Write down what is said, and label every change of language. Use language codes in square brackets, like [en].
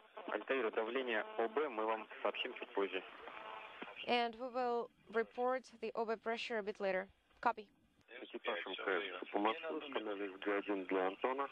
[ru] Альтаир, давление ОБ мы вам сообщим чуть позже. [en] And we will report the OB pressure a bit later. Copy. [ru] Экипаж МКС по Москве установил 2-1 для Антона.